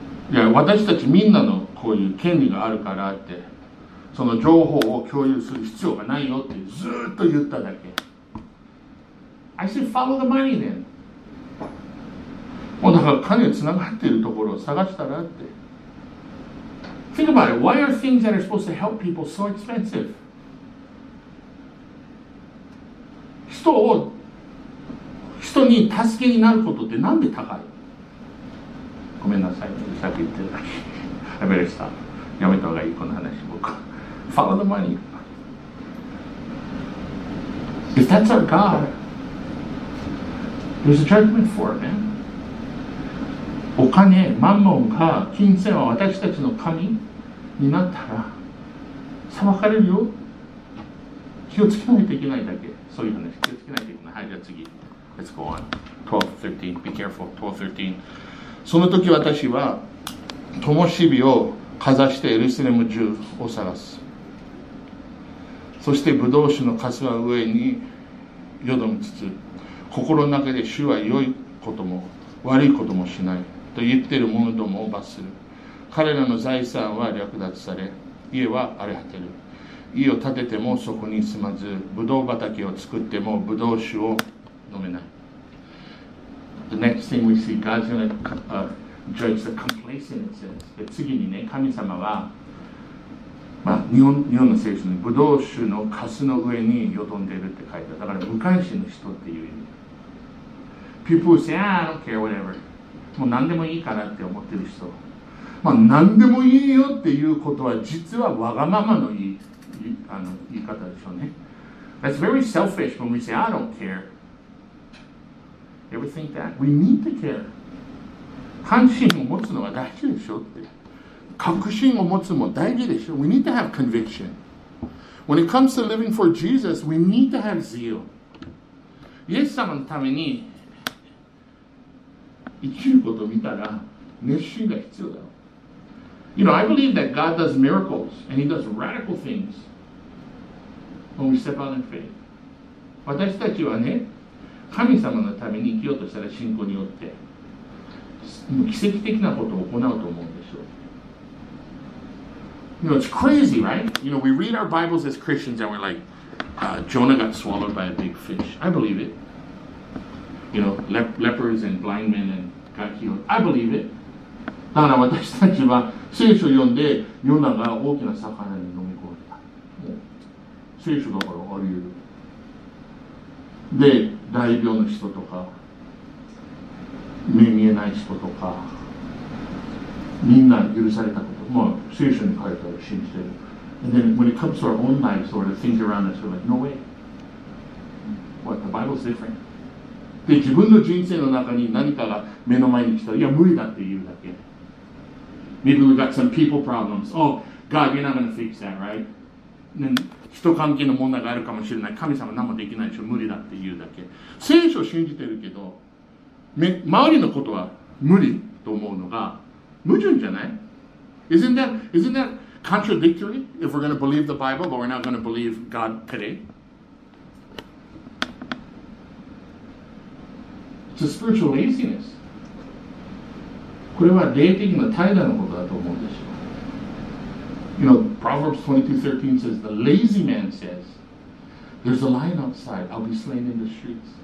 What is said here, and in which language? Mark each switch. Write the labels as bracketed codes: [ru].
[ja] いや、私たちみんなのこういう権利があるからって、その情報を共有する必要がないよってずっと言っただけ。 [en] I said follow the money then. [ja] もうだから金つながっているところを探したらって。 [en] Think about it. Why are things that are supposed to help people so expensive? [ja] 人に助けになることってなんで高い？ごめんなさい、さっき言ってたけど、 [en] I better stop。 [ja] やめた方がいい、この話。 [en] 僕、Follow the money。 If that's our God, there's a judgment for it, man。 [ja] お金、マンモンか、金銭は私たちの神になったら、裁かれるよ。気をつけないといけないだけ。そういう話。気をつけないといけない。はい、じゃあ次。 [en] Let's go on. 12:13. Be careful. 12:13. [ja] その時私は灯火をかざしてエルサレム中を探す。そしてブドウ酒のかすは上によどみつつ、心の中で主は良いことも悪いこともしないと言っている者どもを罰する。彼らの財産は略奪され、家は荒れ果てる。家を建ててもそこに住まず、ブドウ畑を作ってもブドウ酒を飲めない。 [en] The next thing we see, God's gonna judge the complacency. [ja] で次にね、神様は、まあ、日本の聖書にブドウ酒のカスの上に淀んでいるって書いてある。だから無関心の人っていう意味。 [en] People say, ah, I don't care, whatever. [ja] もう何でもいいかなって思ってる人。まあ何でもいいよっていうことは実はわがままの言い。言い方でしょうね。 [en] That's very selfish when we say, I don't care. Ever think that? We need to care. [ja] 関心を持つのは大事でしょって。確信を持つも大事でしょ。 [en] We need to have conviction. When it comes to living for Jesus, we need to have zeal. [ja] イエス様のために生きることを見たら熱心が必要だ。 [en] You know, I believe that God does miracles and He does radical things. When we step out in faith. [ja] 私たちはね、神様のために生きようとしたら信仰によって、もう奇跡的なことを行うと思うんでしょう。 [en] You know, it's crazy, right? You know, we read our Bibles as Christians and we're like, Jonah got swallowed by a big fish. I believe it. You know, lepers and blind men and got healed. I believe it. [ja] だから私たちは聖書を読んで、ヨナが大きな魚に飲む。聖書だからあり得る。で、大病の人とか、目見えない人とか、みんな許されたこと、まあ、聖書に書いたら信じてる。 [en] And then when it comes to our own lives or the things around us, we're like, no way. What? The Bible's different. [ja] で、自分の人生の中に何かが目の前に来たら、いや、無理だって言うだけ。 [en] Maybe we've got some people problems. Oh, God, you're not going to fix that, right? [ja] ね、人関係の問題があるかもしれない。神様何もできないでしょ。無理だって言うだけ。聖書を信じてるけど、周りのことは無理と思うのが矛盾じゃない？ [en] Isn't that contradictory if we're going to believe the Bible but we're not going to believe God today? It's a spiritual laziness. [ja] これは霊的な怠惰のことだと思うんですよ。 [en] You know, Proverbs 22:13 says, the lazy man says, there's a lion outside, I'll be slain in the streets.